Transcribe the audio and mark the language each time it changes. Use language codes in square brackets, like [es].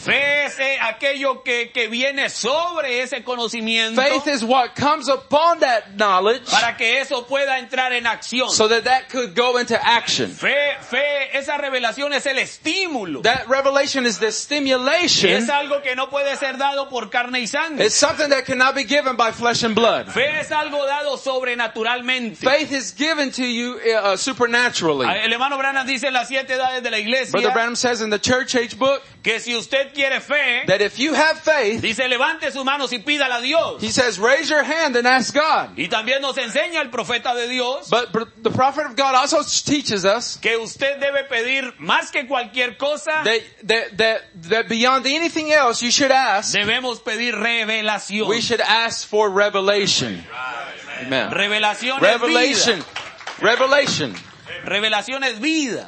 [es] Fe es aquello que viene sobre ese conocimiento. [en] Faith is what comes upon that knowledge, [es] para que eso pueda entrar en acción, [en] so that could go into action. [es] Fe, esa revelación es el estímulo. [en] That revelation is the stimulation. [es] Es algo que no puede ser dado por carne y sangre. [en] It's something that cannot be given by flesh and blood. [es] Fe es algo dado sobrenaturalmente. [en] Faith is given to you supernaturally. [es] El hermano Branham dice en las siete edades de la iglesia, [en] Brother Branham says in the church age book, [es] que si usted quiere fe, [en] that if you have faith, [es] dice, levante sus manos y pídale a Dios. [en] He says raise your hand and ask God. [es] Y también nos enseña el profeta de Dios, [en] but the prophet of God also teaches us, [es] que usted debe pedir más que cualquier cosa, [en] that beyond anything else you should ask, [es] debemos pedir revelación. [en] We should ask for revelation. [es] Amen. Revelación, [en] revelation. Revelation. [es] Revelación es vida.